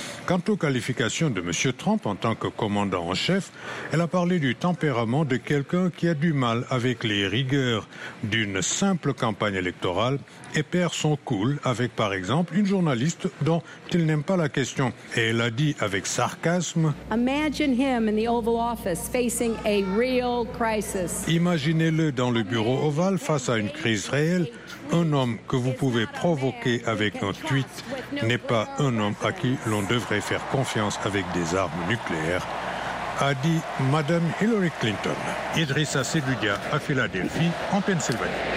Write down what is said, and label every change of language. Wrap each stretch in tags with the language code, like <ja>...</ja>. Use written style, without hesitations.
<fr>Quant aux qualifications de M. Trump en tant que commandant en chef, elle a parlé du tempérament de quelqu'un qui a du mal avec les rigueurs d'une simple campagne électorale et perd son cool avec, par exemple, une journaliste dont il n'aime pas la question. Et elle a dit avec sarcasme:</fr> <en>Imagine him in the Oval Office facing a real crisis.</en> <fr>Imaginez-le dans le bureau ovale face à une crise réelle. Un homme que vous pouvez provoquer avec un tweet n'est pas un homme à qui l'on devrait faire confiance avec des armes nucléaires, a dit Madame Hillary Clinton. Idrissa Seduga à Philadelphie, en Pennsylvanie.</fr>